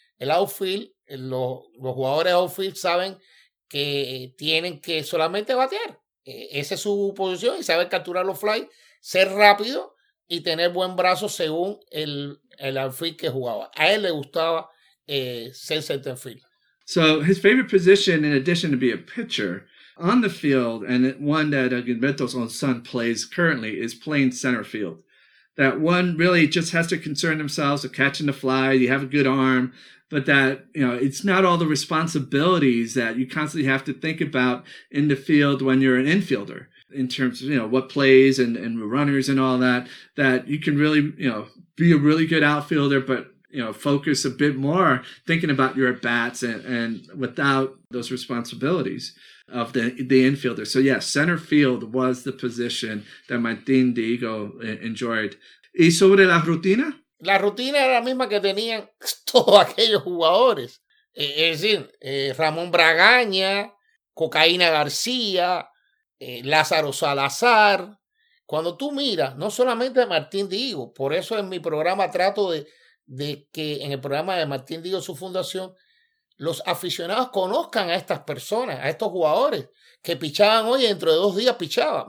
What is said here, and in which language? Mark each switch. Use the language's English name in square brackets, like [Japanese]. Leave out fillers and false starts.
[Spanish] El outfield, los jugadores outfield saben que tienen que solamente batear. Esa es su posición y saber capturar los flies, ser rápido y tener buen brazo según el outfield que jugaba. A él le gustaba ser center field. [English] So his favorite position, in addition to be a pitcher on the field, and one that Gilberto's own son plays currently, is playing center field. That one really just has to concern themselves with catching the fly. You have a good arm, but that, you know, it's not all the responsibilities that you constantly have to think about in the field when you're an infielder, in terms of, you know, what plays and runners and all that, that you can really, you know, be a really good outfielder, but, you know, focus a bit more thinking about your at bats and without those responsibilities of the infielder. So yeah, center field was the position that Martín Tigo enjoyed. [Spanish] ¿Y sobre la rutina? La rutina era la misma que tenían todos aquellos jugadores. Es decir, Ramón Bragaña, Cocaína García, Lázaro Salazar. Cuando tú miras, no solamente a Martín Tigo, por eso en mi programa trato de que en el programa de Martín Tigo, su fundación, los aficionados conozcan a estas personas, a estos jugadores que pichaban hoy y dentro de dos días pichaba.